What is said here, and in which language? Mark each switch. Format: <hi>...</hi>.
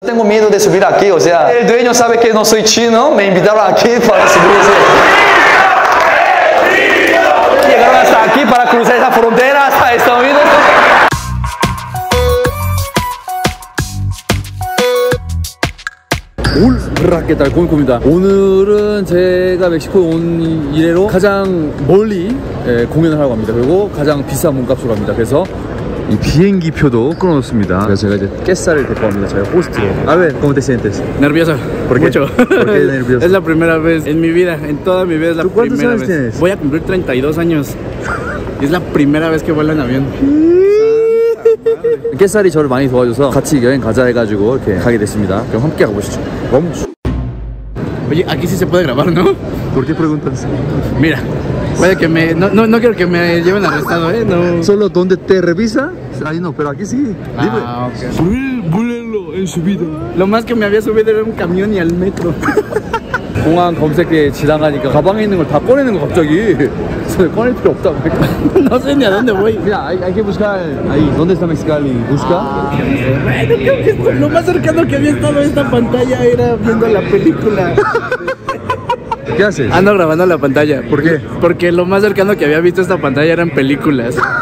<es>Tengo miedo de subir aquí, o sea, el dueño sabe que no soy chino, me invitaron aquí para subir. ¡Sí! Llegaron hasta aquí para cruzar esa frontera hasta Estados Unidos. Hola, ¿qué tal? ¿Cómo estás? Hoy es el México on</es> <ko>이래로 가장 멀리 공연을 하고 갑니다. 그리고 가장 비싼 문값으로 갑니다. 그래서 이 비행기 표도 끊어놓습니다. 그래서 제가 이제 깨살을 데리고 갑니다. 제가 호스트로. 아, 왜?</ko> <es>¿Cómo te sientes? Nervioso. ¿Por qué? Mucho. ¿Por qué nervioso? Es la primera vez en mi vida, en toda mi vida es la primera vez. ¿Tú cuántos años tienes? Voy a cumplir 32 años. Es la primera vez que vuelo en avión.</es> <ko>깨살이 저를 많이 도와줘서 같이 여행 가자 해가지고 이렇게 가게 됐습니다. 그럼 함께 가보시죠. 너무</ko> <es>Oye, aquí sí se puede grabar, ¿no? ¿Por qué preguntas? Mira, vaya que me... No quiero que me lleven arrestado, ¿eh? No. Solo donde te revisa, ahí no, pero aquí sí. Libre. Ah, ok. Subir, volarlo en subida. Lo más que me había subido era un camión y al metro.</es> <ko>공항 검색대에 지나가니까 가방에 있는 걸 다 꺼내는 거 갑자기 손에 꺼낼 필요 없다 그러니까</ko> <es>No sé ni a dónde voy Mira, hay que buscar ahí ¿Dónde está Mexicali? ¿Busca? Ah, bueno, creo que esto, lo más cercano que había estado a esta pantalla era viendo la película ¿Qué haces? Ando grabando la pantalla ¿Por qué? Porque lo más cercano que había visto esta pantalla eran películas</es>